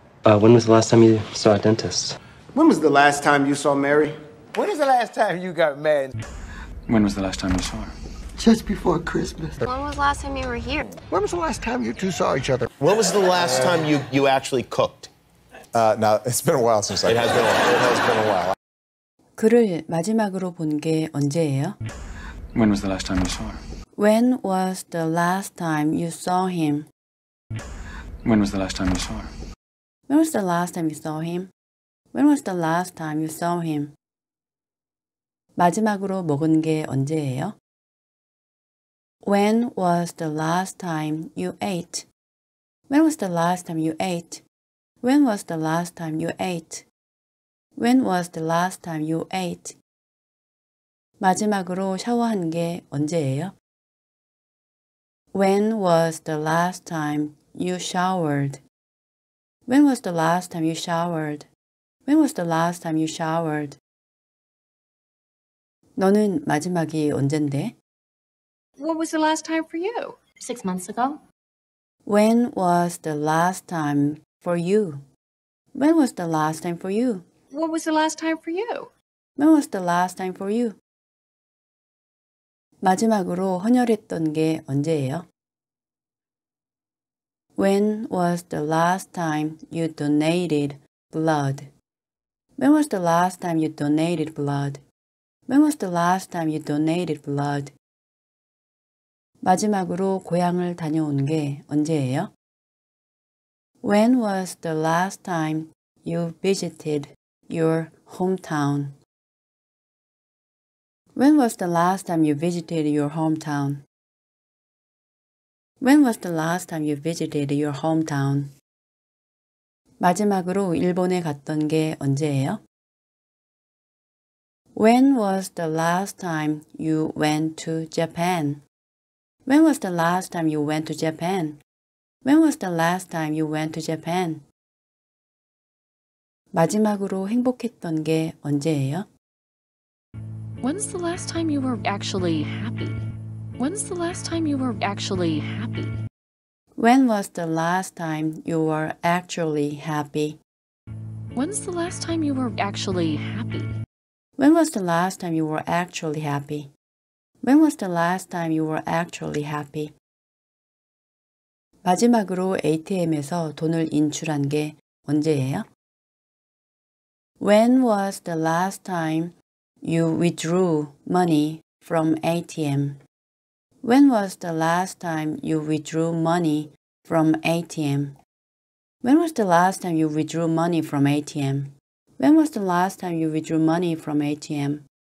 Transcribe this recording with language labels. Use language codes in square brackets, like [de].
[en] When was the last time you saw a dentist? When was the last time you saw Mary? When was the last time you got mad? When was the last time you saw her? Just before Christmas. When was the last time you were here? When was the last time you two saw each other? When was the last time you actually cooked? It's been a while since I cooked. It has been a while. [ko] 그를 마지막으로 본 게 언제예요? [en] When was the last time you saw her? When was the last time you saw him? When was the last time you saw her? When was the last time you saw him? When was the last time you saw him? [ko] 마지막으로 먹은 게 언제예요? [en] When was the last time you ate? When was the last time you ate? When was the last time you ate? When was the last time you ate? [ko] 마지막으로 샤워한 게 언제예요? [en] When was the last time you showered? When was the last time you showered? When was the last time you showered? [ko] 너는 마지막이 언젠데? [en] What was the last time for you? 6 months ago. When was the last time for you? When was the last time for you? What was the last time for you? When was the last time for you? [ko] 마지막으로 헌혈했던 게 언제예요? [en] When was the last time you donated blood? When was the last time you donated blood? When was the last time you donated blood? [ko] 마지막으로 고향을 다녀온 게 언제예요? [en] When was the last time you visited your hometown? When was the last time you visited your hometown? When was the last time you visited your hometown? [ko] 마지막으로 일본에 갔던 게 언제예요? [en] When was the last time you went to Japan? When was the last time you went to Japan? When was the last time you went to Japan? [ko] 마지막으로 행복했던 게 언제예요? [en] When's the last time you were actually happy? When's the last time you were actually happy? When was the last time you were actually happy? When's the last time you were actually happy? When was the last time you were actually happy? When was the last time you were actually happy? [ko] 마지막으로 ATM에서 돈을 인출한 게 언제예요? [en] When was the last time you withdrew money from ATM? When was the last time you withdrew money from ATM? When was the last time you withdrew money from ATM? When was the last time you withdrew money from ATM?